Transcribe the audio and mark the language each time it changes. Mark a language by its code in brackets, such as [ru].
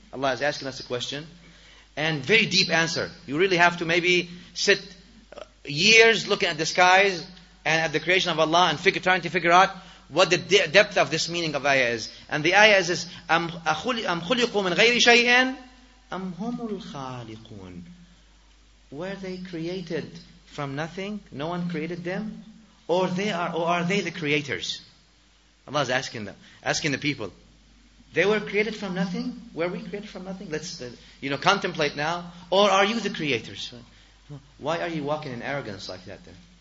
[en] Allah is asking us a question and very deep answer. You really have to maybe sit years looking at the skies and at the creation of Allah and trying to figure out what the depth of this meaning of ayah is. And the ayah is this, [ar] أَمْ خُلِقُوا مِنْ غَيْرِ شَيْءٍ أَمْ هُمُ الْخَالِقُونَ. [en] Were they created from nothing? No one created them? Or are they the creators? Allah is asking the people. They were created from nothing? Were we created from nothing? Let's contemplate now. Or are you the creators? Why are you walking in arrogance like that then?